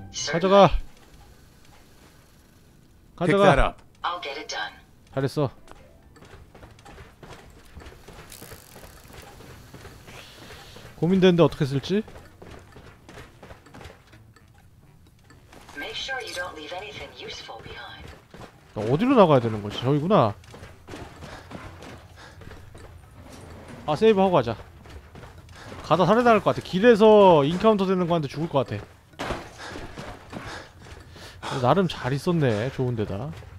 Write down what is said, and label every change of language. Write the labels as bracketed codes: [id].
[ko] 가져가. 가져가. [en] Pick that up. I'll get it done. [ko] 잘했어. 고민되는데 어떻게 쓸지? [en] Make sure you don't leave anything useful behind. [ko] 나 어디로 나가야 되는 거지? 저기구나. 아, 세이브하고 가자. 가다 살해당할 것 같아. 길에서 인카운터 되는 거한테 죽을 것 같아. 나름 잘 있었네. 좋은 데다.